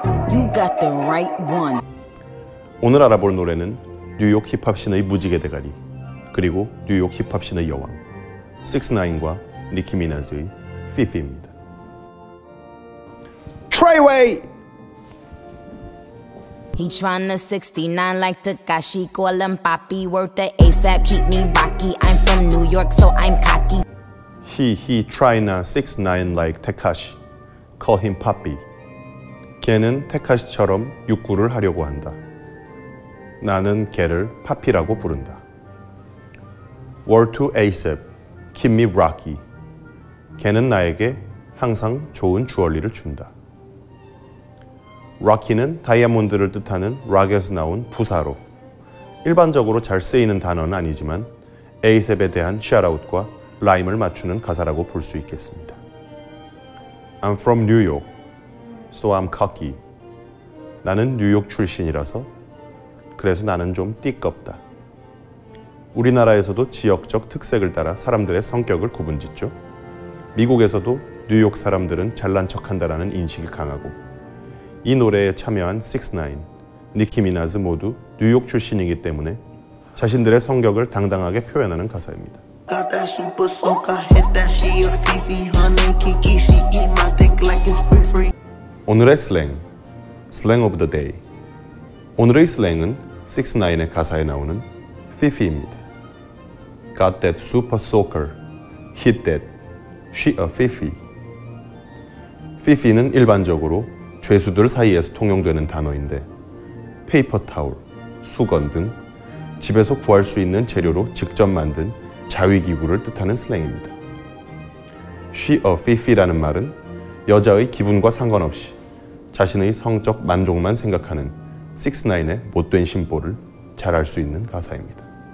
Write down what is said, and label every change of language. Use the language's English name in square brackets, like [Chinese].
[English] You got the right one. [Korean] 오늘 알아볼 노래는 뉴욕 힙합신의 무지개 대가리, 그리고 뉴욕 힙합신의 여왕, 6ix9ine과 니키 미나즈의 피피입니다. [English] Trey Wade! He trying to 69 like Tekashi, call him papi, worth the ASAP, keep me rocky, I'm from New York, so I'm cocky. He trying to 69 like Tekashi, call him papi. [Korean] 걔는 테카시처럼 육구를 하려고 한다. 나는 걔를 파피라고 부른다. [English] Word to ASAP, keep me rocky. [Korean] 걔는 나에게 항상 좋은 주얼리를 준다. Rocky는 다이아몬드를 뜻하는 rock에서 나온 부사로, 일반적으로 잘 쓰이는 단어는 아니지만 ASAP에 대한 shout-out과 라임을 맞추는 가사라고 볼 수 있겠습니다. [English] I'm from New York, so I'm cocky. [Korean] 나는 뉴욕 출신이라서, 그래서 나는 좀 띠껍다. 우리나라에서도 지역적 특색을 따라 사람들의 성격을 구분짓죠. 미국에서도 뉴욕 사람들은 잘난 척한다라는 인식이 강하고, 이 노래에 참여한 6ix9ine, 니키 미나즈 모두 뉴욕 출신이기 때문에 자신들의 성격을 당당하게 표현하는 가사입니다. [English] Got that super soak, I hit that she a fifi, honey, kiki, she eat my dick like it's free free. [Korean] 오늘의 슬랭, [English] Slang of the Day. [Korean] 오늘의 슬랭은 6ix9ine의 가사에 나오는 Fifi입니다. [English] Got that super soaker, hit that, she a Fifi. [Korean] Fifi는 일반적으로 죄수들 사이에서 통용되는 단어인데, 페이퍼 타올, 수건 등 집에서 구할 수 있는 재료로 직접 만든 자위기구를 뜻하는 슬랭입니다. [English] She a Fifi [Korean] 라는 말은 여자의 기분과 상관없이 자신의 성적 만족만 생각하는 6ix9ine의 못된 심보를 잘할 수 있는 가사입니다.